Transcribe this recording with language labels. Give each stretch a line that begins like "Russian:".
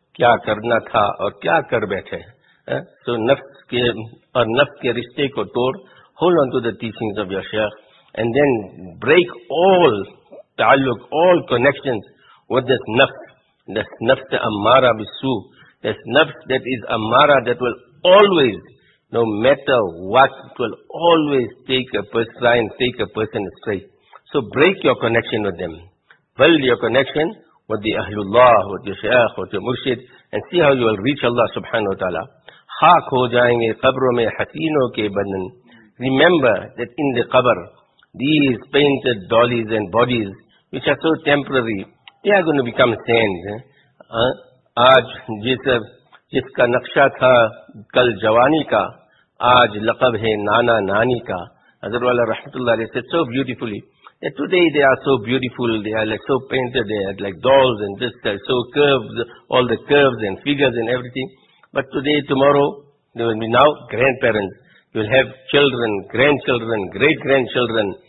Urdu: Kya karna tha aur kya kar baithe?
English: So
Urdu: nafs ke rishte ko tod,
English: hold on to the teachings of your shaykh, and then break all ta'alluq, all connections with this nafs that is amara, that will always, no matter what, it will always try and take a person astray. So break your connection with them. Build your connection with the Ahlullah, with your shaykh, with your murshid, and see how you will reach Allah subhanahu wa ta'ala.
Urdu: خاک ہو جائیں گے قبروں میں حسینوں کے بدن.
English: Remember that in the qabr, these painted dollies and bodies, which are so temporary, they are going to become sand.
Urdu: آج جس کا نقشہ تھا کل جوانی کا, آج لقب ہے نانا نانی کا.
English: حضرت والا رحمت اللہ علیہ said so beautifully, that today they are so beautiful, they are like so painted, they are like dolls and just so curved, all the curves and figures and everything. But today, tomorrow, they will be now grandparents. You will have children, grandchildren, great-grandchildren.